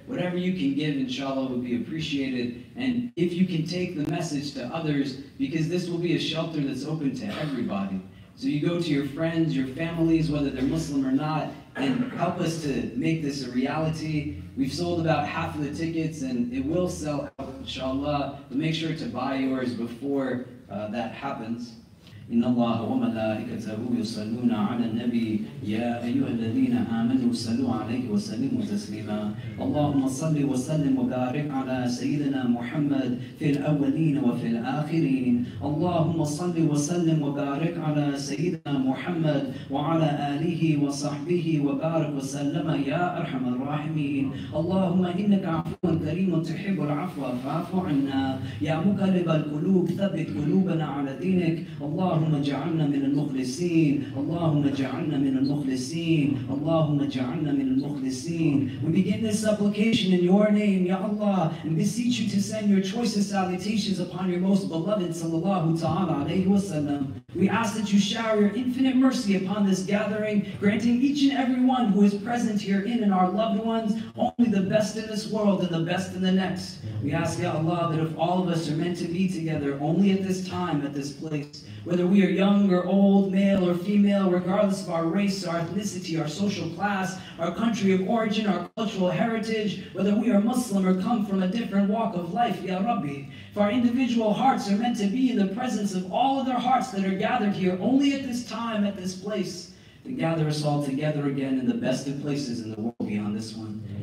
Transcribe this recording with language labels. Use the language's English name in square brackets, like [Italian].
[English] Whatever you can give, inshallah, will be appreciated. And if you can take the message to others, because this will be a shelter that's open to everybody. So you go to your friends, your families, whether they're Muslim or not, and help us to make this a reality. We've sold about half of the tickets, and it will sell out, inshallah. But make sure to buy yours before that happens. [Arabic] إن الله وملائكته يصلون على النبي يا أيها الذين آمنوا صلوا عليه وسلموا تسليما اللهم صل وسلم وبارك على سيدنا محمد في الأولين وفي الآخرين اللهم صل وسلم وبارك على سيدنا محمد وعلى آله وصحبه وبارك وسلم يا أرحم الراحمين اللهم إنك عفو كريم تحب العفو فاعف عنا يا مقلب القلوب ثبت قلوبنا على دينك اللهم اجعلنا من المخلصين اللهم اجعلنا من المخلصين اللهم اجعلنا من المخلصين [English] We begin this supplication in your name, Ya Allah, and beseech you to send your choicest salutations upon your most beloved, sallallahu ta'ala alayhi wa sallam. We ask that you shower your infinite mercy upon this gathering, granting each and every one who is present herein and our loved ones only the best in this world and the best in the next. We ask, Ya Allah, that if all of us are meant to be together only at this time, at this place, whether we are young or old, male or female, regardless of our race, our ethnicity, our social class, our country of origin, our cultural heritage, whether we are Muslim or come from a different walk of life, Ya Rabbi, if our individual hearts are meant to be in the presence of all other hearts that are gathered here only at this time, at this place, then gather us all together again in the best of places in the world beyond this one.